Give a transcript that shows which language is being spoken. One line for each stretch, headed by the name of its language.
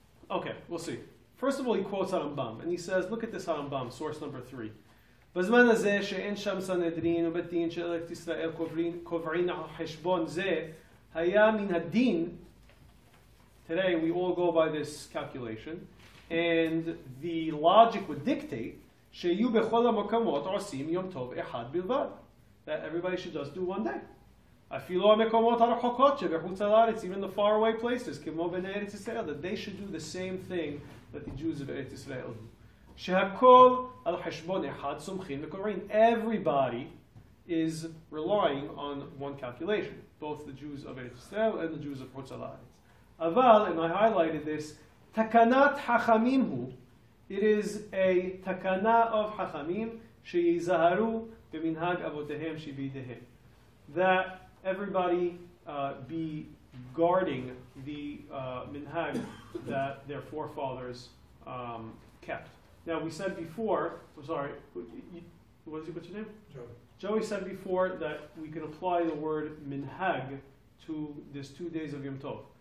English: Okay, we'll see. First of all, he quotes Arambam, and he says, look at this Arambam, source number 3.
Hebrew: בזמן הזה שאין שם סנהדרין ובית דין של ארץ ישראל קובעין על חשבון זה, היה מן הדין,
English: today we all go by this calculation, and the logic would dictate
Hebrew: שיהיו בכל המקומות עושים יום טוב אחד בלבד,
English: that everybody should just do one day.
Hebrew: אפילו המקומות הרחוקות שבחוץ על הארץ,
English: even the faraway places,
Hebrew: כמו בין ארץ ישראל,
English: that they should do the same thing that the Jews of ארץ ישראל do.
Hebrew: שהכל על חשבון אחד סומכים וקוראים.
English: Everybody is relying on one calculation, both the Jews of Eretz Yisrael and the Jews of Chutz Laaretz.
Hebrew: אבל,
English: and I highlighted this,
Hebrew: תקנת חכמים הוא,
English: it is a
Hebrew: תקנה of חכמים שיזהרו במנהג אבותיהם שבידיהם.
English: That everybody be guarding the minhag that their forefathers kept. Now, we said before, I'm sorry, what's your name? Joey. Joey said before that we can apply the word minhag to this 2 days of Yom Tov.